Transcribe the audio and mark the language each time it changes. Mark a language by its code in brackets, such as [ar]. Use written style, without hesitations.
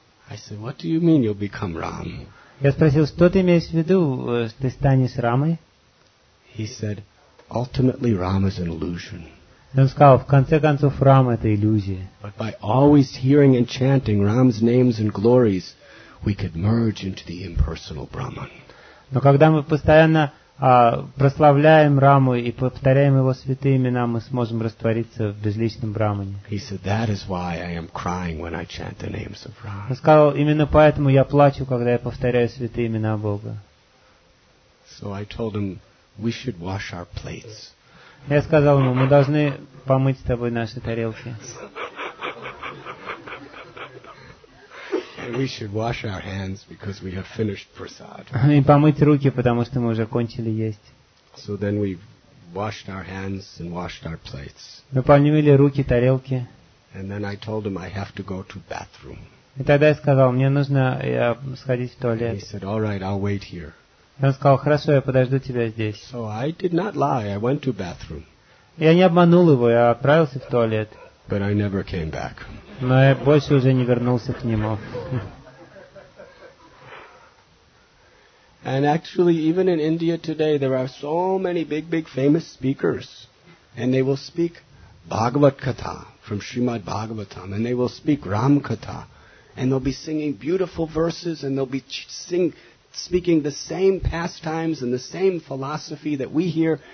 [en] I said, what do you mean you'll become Ram? [ru] Я спросил, что ты имеешь в виду, ты станешь Рамой? [en] He said, ultimately Rama is an illusion. [ru] Он сказал, в конце концов Рама это иллюзия. [en] But by always hearing and chanting Ram's names and glories, we could merge into the impersonal Brahman. [ru] Но когда мы постоянно прославляем Раму и повторяем его святые имена, мы сможем раствориться в безличном Брамане. [en] He said, that is why I am crying when I chant the names of Ram. [ru] Он сказал, именно поэтому я плачу, когда я повторяю святые имена Бога. [en] So I told him, we should wash our plates. [ru] Я сказал ему, мы должны помыть с тобой наши тарелки. [en] We should wash our hands because we have finished prasad. [ru] И помыть руки, потому что мы уже кончили есть. [en] So then we washed our hands and washed our plates. [ru] Мы помыли руки, тарелки. [en] And then I told him I have to go to bathroom. [ru] И тогда я сказал, мне нужно сходить в туалет. [en] And he said, "All right, I'll wait here." [ru] И он сказал, хорошо, я подожду тебя здесь. [en] So I did not lie. I went to bathroom. [ru] Я не обманул его, я отправился в туалет. [en] But I never came back. [ru] Но я больше уже не вернулся к нему. [en] And actually, even in India today, there are so many big, big famous speakers. And they will speak Bhagavad Katha from Srimad Bhagavatam. And they will speak Ram Katha. And they'll be singing beautiful verses. And they'll be speaking the same pastimes and the same philosophy that we hear.